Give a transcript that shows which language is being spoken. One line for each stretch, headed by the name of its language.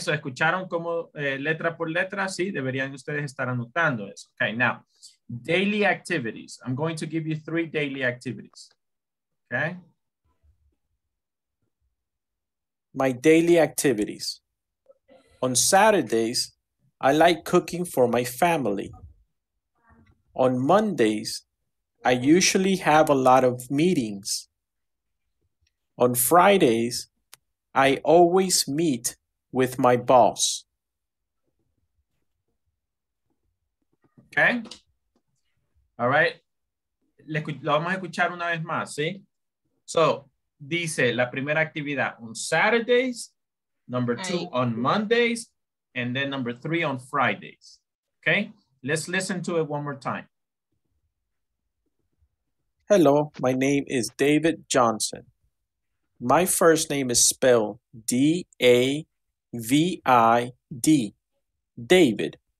Spanish: So, escucharon como letra por letra, sí, deberían ustedes estar anotando eso. Okay, now,
English: daily activities. I'm going to give you three daily activities. Okay? My daily activities. On Saturdays, I like cooking for my family. On Mondays, I usually have a lot of meetings. On Fridays, I always meet with my boss. Okay. All right.
Spanish: Lo vamos a escuchar una vez más, ¿sí?
English: So,
Spanish: dice la primera actividad,
English: on Saturdays, number two, on Mondays, and then number three, on Fridays. Okay. Let's listen to it one more time. Hello, my name is David Johnson. My first name is spelled D-A-V-I-D, David.